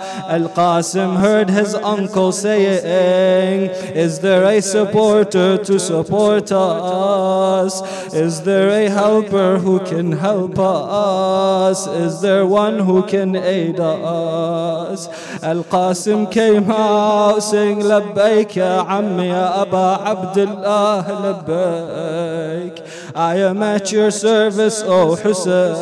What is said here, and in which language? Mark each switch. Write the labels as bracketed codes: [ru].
[en] القاسم heard his uncle saying, Is there a supporter to support us? Is there a helper who can help us? Is there one who can aid us? [ar] القاسم [en] came out saying, [ar] لبيك يا عمي يا أبا عبد الله لبيك. [en] I am at your service, O Hussein.